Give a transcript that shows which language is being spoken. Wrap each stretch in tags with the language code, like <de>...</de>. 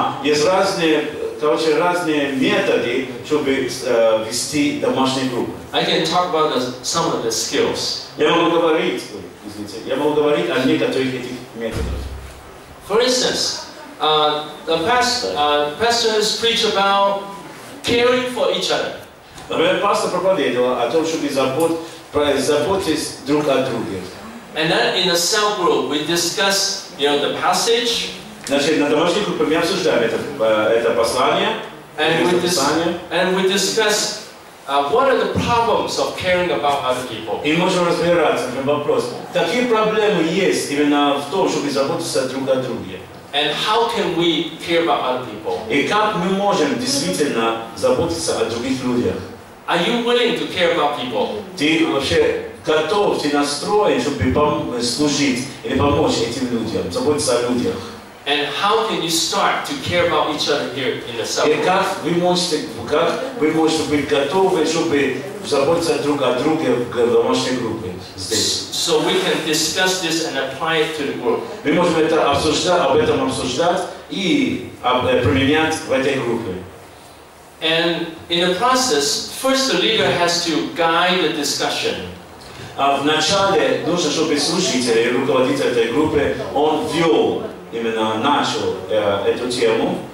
<ru>Есть разные, короче, разные методы, чтобы вести домашнюю группу.</ru> <en>I can talk about some of the skills.</en> <ru>Я могу говорить о некоторых этих методах.</ru> <en>For instance, the pastors preach about caring for each other.</en> <ru>Например, пастор проповедовал о том, чтобы заботиться друг о друге.</ru> <en>And then in a cell group, we discuss, you know, the passage.</en> <ru>Значит, на домашней группе мы обсуждаем это послание.</ru> <en>And we discuss what are the problems of caring about other people.</en> <ru>И можем разбираться, например, вопрос, какие проблемы есть именно в том, чтобы заботиться друг о друге.</ru> <en>And how can we care about other people?</en> <ru>И как мы можем действительно заботиться о других людях?</ru> <en>Are you willing to care about people?</en> <ru>Ты вообще готов, ты настроен, чтобы служить или помочь этим людям, заботиться о людях.</ru> <en>And how can you start to care about each other here in the cell?</en> <ru>И как вы можете быть готовы, чтобы заботиться друг о друге в домашней группе здесь?</ru> <en>So we can discuss this and apply it to the group.</en> <ru>Мы можем это обсуждать, об этом обсуждать и применять в этой группе.</ru> <en>And in the process, first the leader has to guide the discussion.</en> <ru>В начале нужно, чтобы слушатель, руководитель этой группы, он вел именно начал эту тему.</ru>